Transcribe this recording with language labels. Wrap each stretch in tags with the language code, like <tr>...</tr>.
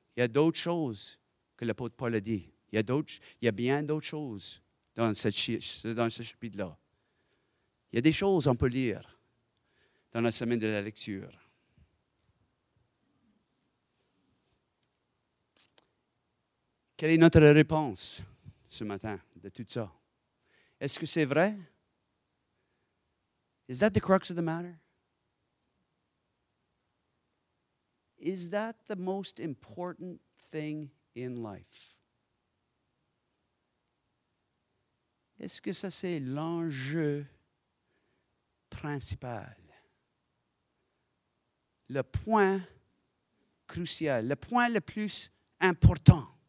<fr>Il y a d'autres choses que l'apôtre Paul a dit. Il y a bien d'autres choses dans ce chapitre-là. Il y a des choses qu'on peut lire dans la semaine de la lecture. Quelle est notre réponse ce matin de tout ça? Est-ce que c'est vrai?</fr> <en>Is that the crux of the matter? Is that the most important thing in life?</en> <fr>Est-ce que ça c'est l'enjeu principal? Le point crucial, le point le plus important.</fr>